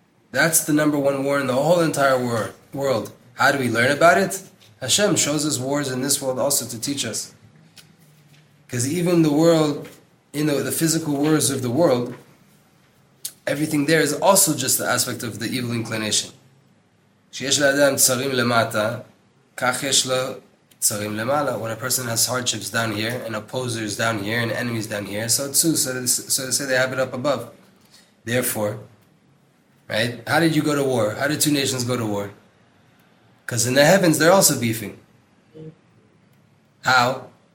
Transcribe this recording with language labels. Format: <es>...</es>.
<en>That's the number one war in the whole entire world. How do we learn about it? Hashem shows us wars in this world also to teach us. Because even the world, you know, the physical wars of the world, everything there is also just the aspect of the evil inclination.</en> <he>שיש לאדם צרים למטה, כך יש לו צרים למעלה.</he> <en>When a person has hardships down here, and opposers down here, and enemies down here, so too, so they say they have it up above. Therefore, right? How did you go to war? How did two nations go to war? Because in the heavens, they're also beefing. How?</en>